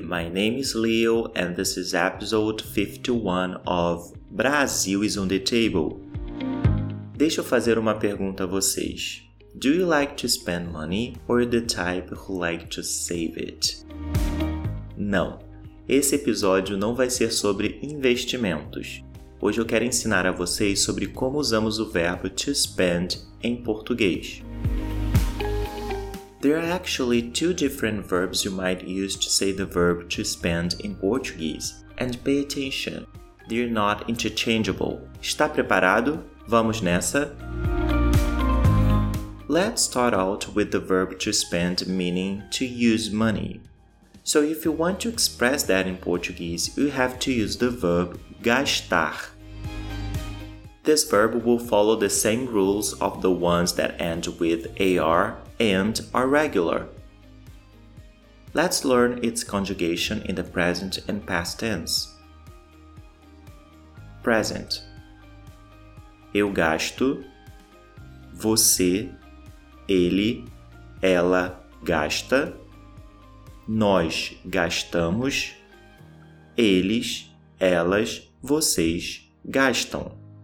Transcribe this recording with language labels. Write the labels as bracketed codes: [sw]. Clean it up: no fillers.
[en] My name is Leo and this is episode 51 of Brasil is on the Table. [pt] Deixa eu fazer uma pergunta a vocês. [en] Do you like to spend money or the type who like to save it? [pt] Não, esse episódio não vai ser sobre investimentos. Hoje eu quero ensinar a vocês sobre como usamos o verbo to spend em português. [en] There are actually two different verbs you might use to say the verb to spend in Portuguese. And pay attention, they're not interchangeable. [pt] Está preparado? Vamos nessa! [en] Let's start out with the verb to spend meaning to use money. So if you want to express that in Portuguese, you have to use the verb gastar. This verb will follow the same rules of the ones that end with AR and are regular. Let's learn its conjugation in the present and past tense. Present. [pt] Eu gasto, você, ele, ela gasta, nós gastamos, eles, elas, vocês gastam.